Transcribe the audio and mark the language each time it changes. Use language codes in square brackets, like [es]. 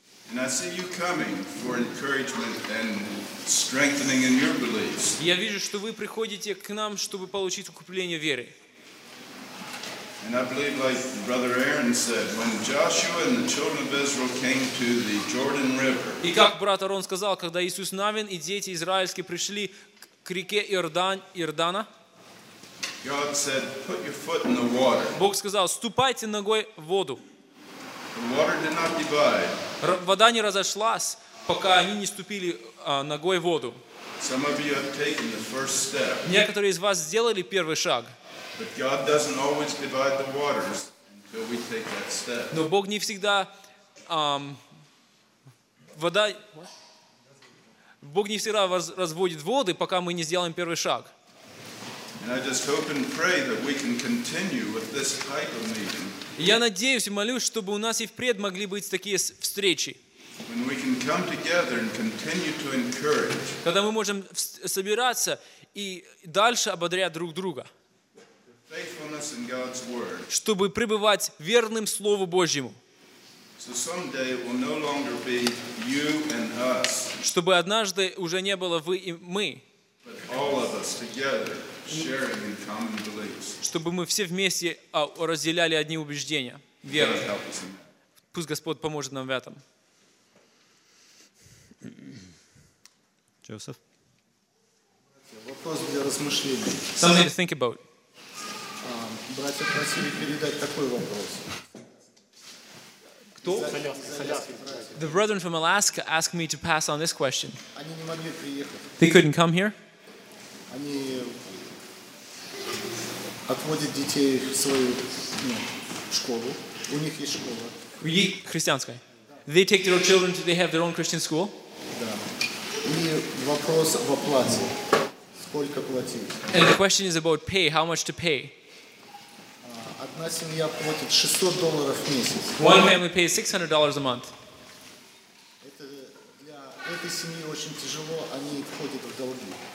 [en] And I see you coming for encouragement and strengthening in your beliefs. [ru] Я вижу, что вы приходите к нам, чтобы получить укрепление веры. [en] And I believe, like Brother Aaron said, when Joshua and the children of Israel came to the Jordan River. [ru] И как брат Арон сказал, когда Иисус Навин и дети израильские пришли к реке Иордана. [en] God said, "Put your foot in the water." [ru] Бог сказал: "Ступайте ногой в воду." [en] The water did not divide. [ru] Вода не разошлась, пока они не ступили ногой в воду. [en] Some of you have taken the first step. [ru] Некоторые из вас сделали первый шаг. [en] But God doesn't always divide the waters until we take that step. [ru] Но Бог не всегда вода. Бог не всегда разводит воды, пока мы не сделаем первый шаг. [en] And I just hope and pray that we can continue with this type of meeting. [ru] Я надеюсь и молюсь, чтобы у нас и впредь могли быть такие встречи. [en] When we can come together and continue to encourage. [ru] Когда мы можем собираться и дальше ободрять друг друга. [en] Faithfulness in God's word. [ru] Чтобы пребывать верным Слову Божьему. [en] So someday it will no longer be you and us. [ru] Чтобы однажды уже не было вы и мы. [en] But all of us together. Sharing in common beliefs. [ru] Чтобы мы все вместе разделяли одни убеждения, веру. Пусть Господь поможет нам в этом. Joseph. Вопрос для размышления. [en] Something to think about. [ru] Братья просили передать такой вопрос. Кто? [en] The brethren from Alaska asked me to pass on this question. [ru] Они не могли приехать. [en] They couldn't come here. [ru] Они отводит детей в свою школу. У них есть школа. Христианская. [en] They take their own children to, they have their own Christian school. [ru] Да. И вопрос в оплате. Сколько платить? [en] And the question is about pay, how much to pay. [ru] Одна семья платит $600 в месяц. [en] One family pays $600 a month. [ru] Это для этой семьи очень тяжело, они входят в долги.